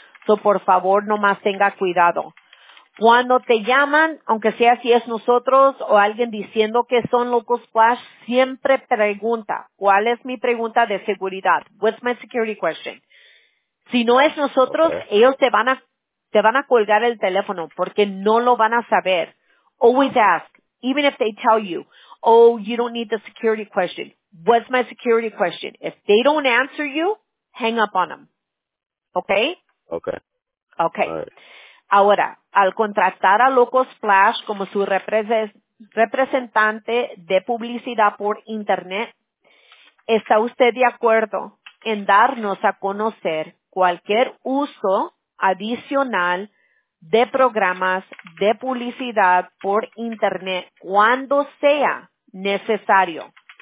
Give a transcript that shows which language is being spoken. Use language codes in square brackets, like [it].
[es] So, por favor, nomás tenga cuidado. Cuando te llaman, aunque sea si es nosotros o alguien diciendo que son Local Splash, siempre pregunta, ¿cuál es mi pregunta de seguridad? [en] What's my security question? [es] Si no es nosotros, okay, ellos te van a colgar el teléfono porque no lo van a saber. [en] Always ask, even if they tell you, oh, you don't need the security question. What's my security question? If they don't answer you, hang up on them. Okay? Okay. Okay. Right. [es] Ahora, al contratar a Local Splash como su representante de publicidad por internet, ¿está usted de acuerdo en darnos a conocer cualquier uso adicional de programas de publicidad por internet cuando sea necesario?